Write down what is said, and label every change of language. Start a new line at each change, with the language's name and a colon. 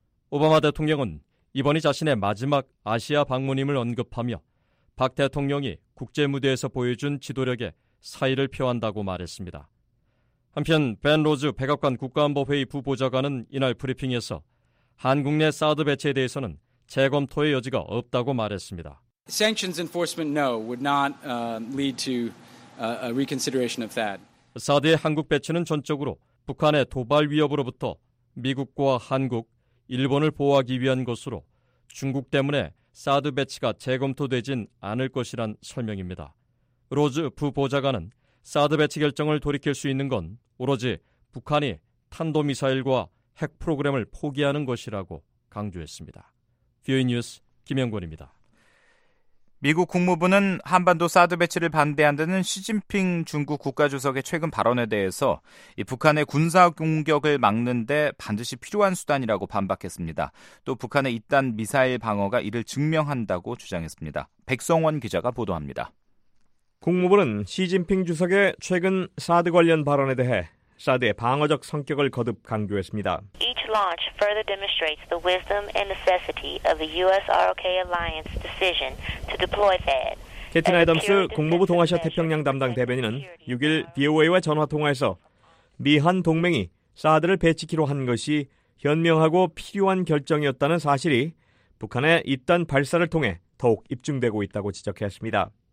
Korean: 오바마 대통령은 이번이 자신의 마지막 아시아 방문임을 언급하며 박 대통령이 국제무대에서 보여준 지도력에 사의를 표한다고 말했습니다. 한편 벤 로즈 백악관 국가안보회의 부보좌관은 이날 브리핑에서 한국 내 사드 배치에 대해서는 재검토의 여지가 없다고 말했습니다.
English: Sanctions enforcement no would not lead to a reconsideration of that.
Korean: 사드의 한국 배치는 전적으로 북한의 도발 위협으로부터 미국과 한국, 일본을 보호하기 위한 것으로 중국 때문에 사드 배치가 재검토되진 않을 것이란 설명입니다. 로즈 부보좌관은 사드 배치 결정을 돌이킬 수 있는 건 오로지 북한이 탄도미사일과 핵 프로그램을 포기하는 것이라고 강조했습니다. 뷰인 뉴스 김영권입니다. 미국 국무부는 한반도 사드 배치를 반대한다는 시진핑 중국 국가주석의 최근 발언에 대해서 북한의 군사 공격을 막는 데 반드시 필요한 수단이라고 반박했습니다. 또 북한의 잇단 미사일 방어가 이를 증명한다고 주장했습니다. 백성원 기자가 보도합니다. 국무부는 시진핑 주석의 최근 사드 관련 발언에 대해 사드의 방어적 성격을 거듭 강조했습니다.
English: Each launch further demonstrates the wisdom and necessity of the U.S.-ROK Alliance decision to deploy THAAD.
Korean: 캐티 아이덤스 국무부 동아시아 태평양 담당 대변인은 6일 VOA와 전화 통화에서 미한 동맹이 사드를 배치키로 한 것이 현명하고 필요한 결정이었다는 사실이 북한의 잇단 발사를 통해 더욱 입증되고 있다고 지적했습니다.